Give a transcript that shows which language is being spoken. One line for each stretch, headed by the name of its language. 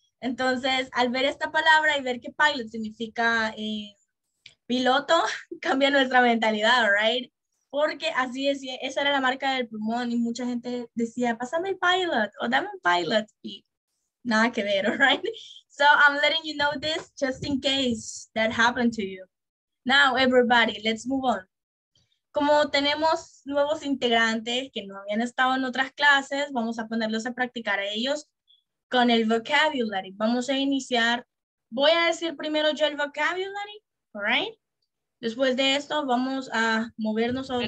Spanish: Entonces, al ver esta palabra y ver que pilot significa piloto, cambia nuestra mentalidad, right? Porque así decía, esa era la marca del plumón y mucha gente decía, pásame el pilot o dame un pilot y nada que ver, right?
English: So I'm letting you know this just in case that happened to you. Now everybody, let's move on.
Spanish: Como tenemos nuevos integrantes que no habían estado en otras clases, vamos a ponerlos a practicar a ellos con el vocabulary. Vamos a iniciar, voy a decir primero yo el vocabulary, right? Después de esto, vamos a movernos a otro